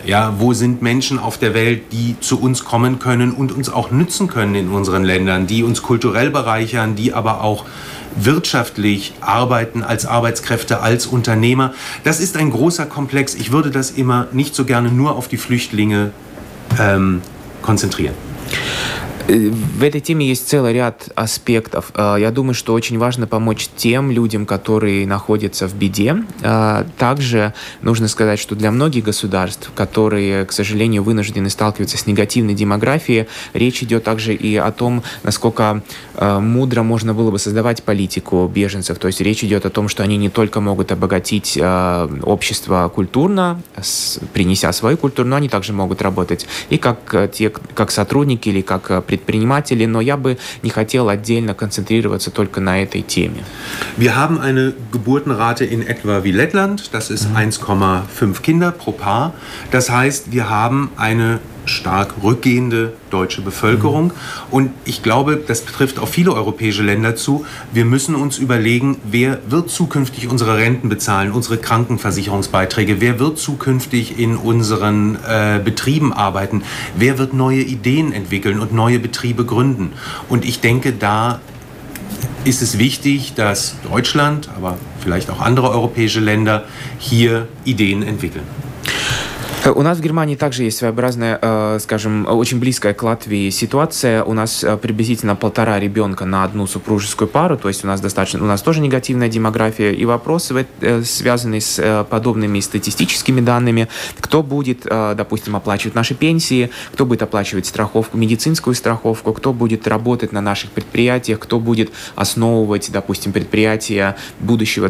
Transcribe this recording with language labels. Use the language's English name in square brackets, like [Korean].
[German] Ja, wo sind Menschen auf der Welt, die zu uns kommen können und uns auch nützen können in unseren Ländern, die uns kulturell bereichern, die aber auch wirtschaftlich arbeiten als Arbeitskräfte, als Unternehmer? Das ist ein großer Komplex. Ich würde das immer nicht so gerne nur auf die Flüchtlinge konzentrieren. [Russian] В этой теме есть целый ряд аспектов. Я думаю, что очень важно помочь тем людям, которые находятся в беде. Также нужно сказать, что для многих государств, которые, к сожалению, вынуждены сталкиваться с негативной демографией, речь идет также и о том, насколько мудро можно было бы создавать политику беженцев. То есть речь идет о том, что они не только могут обогатить общество культурно, принеся свою культуру, но они также могут работать и как сотрудники или как предприниматели, но я бы не хотел отдельно концентрироваться только на этой теме. [German] Wir haben eine Geburtenrate in etwa wie Lettland, das ist 1,5 Kinder pro Paar. Das heißt, wir haben eine stark rückgehende deutsche Bevölkerung. Und ich glaube, das betrifft auch viele europäische Länder zu. Wir müssen uns überlegen, wer wird zukünftig unsere Renten bezahlen, unsere Krankenversicherungsbeiträge, wer wird zukünftig in unseren Betrieben arbeiten, wer wird neue Ideen entwickeln und neue Betriebe gründen. Und ich denke, da ist es wichtig, dass Deutschland, aber vielleicht auch andere europäische Länder hier Ideen entwickeln. [Russian] У нас в Германии также есть своеобразная, скажем, очень близкая к Латвии ситуация. У нас приблизительно 1,5 ребенка на одну супружескую пару, то есть у нас достаточно, у нас тоже негативная демография. И вопросы, связанные с подобными статистическими данными, кто будет, допустим, оплачивать наши пенсии, кто будет оплачивать страховку, медицинскую страховку, кто будет работать на наших предприятиях, кто будет основывать, допустим, предприятия будущего.